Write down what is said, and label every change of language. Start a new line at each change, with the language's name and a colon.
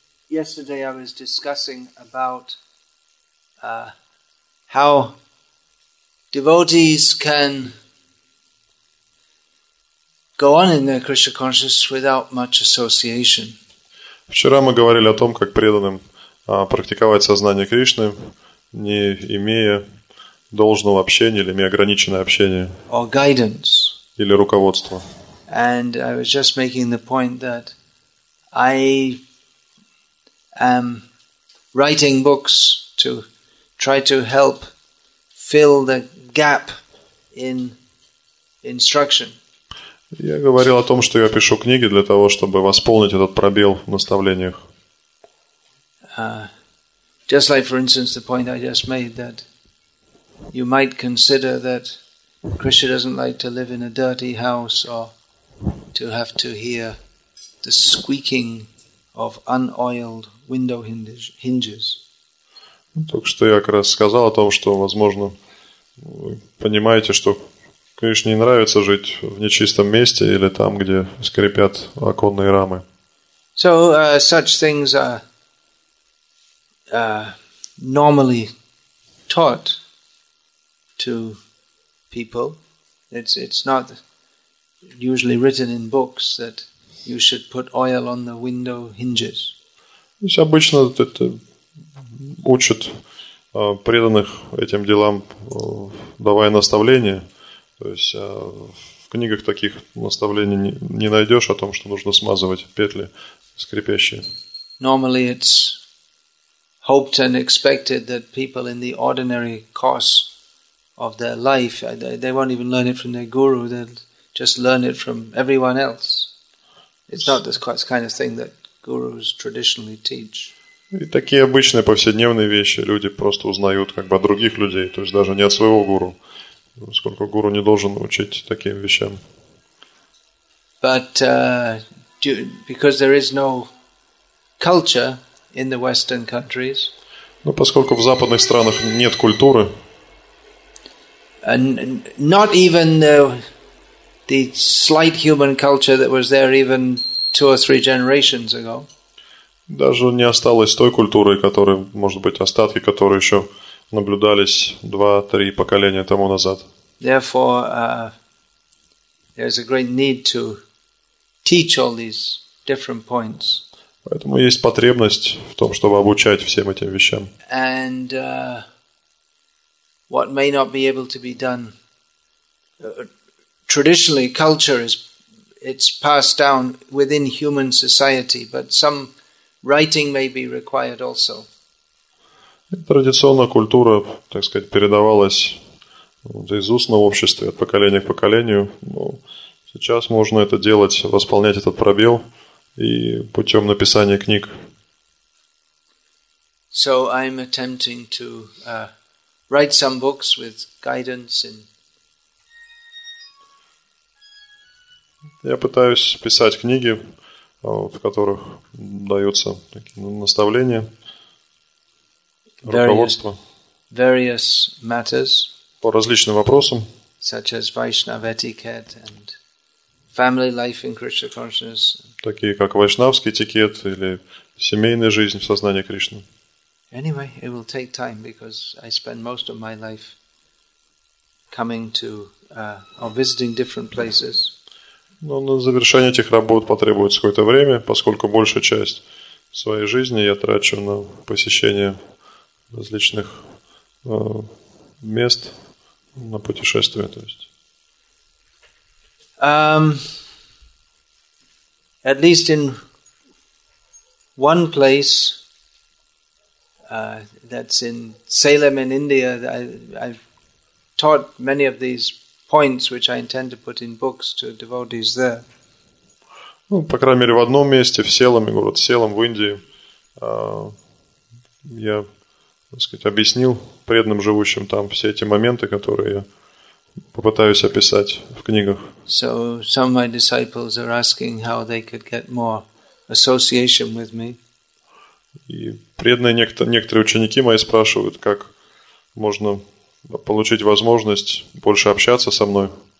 English: Yesterday I was discussing about how devotees can go on in their Krishna consciousness without much association.
Russian: Вчера мы говорили о том, как преданным практиковать сознание Кришны, не имея должного общения или имея ограниченное общение
English: or guidance.
Russian: Или руководство.
English: And I was just making the point that I am writing books to try to help fill the gap in instruction.
Russian: Я говорил о том, что я пишу книги для того, чтобы восполнить этот пробел в наставлениях.
English: Just like, for instance, the point I just made that you might consider that Krishna doesn't like to live in a dirty house or to have to hear the squeaking of unoiled window hinges.
Russian: Только что я как раз сказал о том, что, возможно, вы понимаете, что Кришне не нравится жить в нечистом месте или там, где скрипят оконные рамы.
English: So, such things are normally taught to people. It's not usually written in books that you should put oil on the window hinges.
Russian: Здесь обычно это учат преданных этим делам, давая наставления. То есть в книгах таких наставлений не найдешь о том, что нужно смазывать петли скрипящие.
English: Normally it's hoped and expected that people in the ordinary course of their life. They won't even learn it from their guru. They'll just learn it from everyone else. It's not this kind of thing that gurus traditionally teach.
Russian: И такие обычные повседневные вещи люди просто узнают как бы от других людей, то есть даже не от своего гуру. Сколько гуру не должен учить таким вещам.
English: But because there is no culture in the Western countries.
Russian: Но поскольку в западных странах нет культуры.
English: And not even the slight human culture that was there even 2 or 3 generations ago.
Russian: Даже не осталось той культуры, которой, может быть, остатки, которые еще наблюдались 2-3 поколения тому назад.
English: Therefore, there is a great need to teach all these different points.
Russian: Поэтому есть потребность в том, чтобы обучать всем этим вещам.
English: And what may not be able to be done traditionally, culture is it's passed down within human society, but some writing may be required also.
Russian: Традиционная культура, так сказать, передавалась из уст на обществе от поколения к поколению. Но сейчас можно это делать, восполнять этот пробел и путем написания книг.
English: So I'm attempting to write some books with guidance in.
Russian: Я пытаюсь писать книги, в которых даются такие наставления, руководство
English: various matters,
Russian: по различным вопросам,
English: such as Vaishnav etiquette and family life in Krishna consciousness,
Russian: такие как вайшнавский этикет или семейная жизнь в сознании Кришны.
English: Anyway, it will take time because I spend most of my life coming to or visiting different places.
Russian: Но на завершение этих работ потребуется какое-то время, поскольку большая часть своей жизни я трачу на посещение различных мест, на путешествия. То есть.
English: At least in one place, that's in Salem in India, I've taught many of these points which I intend to put in books to devotees there.
Russian: Ну, по крайней мере, в одном месте, в Селаме, город Селам в Индии, я, так сказать, объяснил преданным живущим там все эти моменты, которые я попытаюсь описать в книгах.
English: So some of my disciples are asking how they could get more association with me.
Russian: И преданные некоторые ученики мои спрашивают, как можно получить возможность больше общаться со мной.